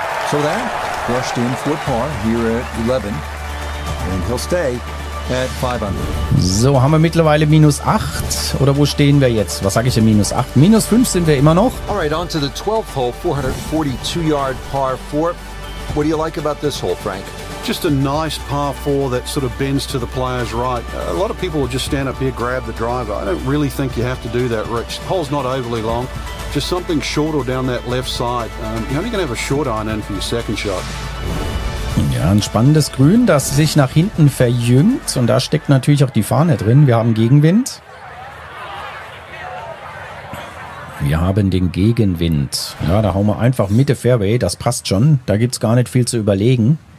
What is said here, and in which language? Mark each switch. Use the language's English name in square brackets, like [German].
[English] So that rushed in for par here at 11 and he'll stay at 500. [German] So, haben wir mittlerweile minus 8 oder wo stehen wir jetzt? Was sage ich denn minus 8? Minus 5 sind wir immer noch. [English] All right, on to the 12th hole, 442 yard par 4. What do you like about this hole, Frank? Just a nice par 4 that sort of bends to the player's right. A lot of people will just stand up here, grab the driver. I don't really think you have to do that, Rich. The hole's not overly long. Just something short or down that left side. You're only going to have a short iron in for your second shot. [German] Ja, ein spannendes Grün, das sich nach hinten verjüngt. Und da steckt natürlich auch die Fahne drin. Wir haben Gegenwind. Wir haben den Gegenwind. Ja, da hauen wir einfach Mitte Fairway. Das passt schon. Da gibt es gar nicht viel zu überlegen.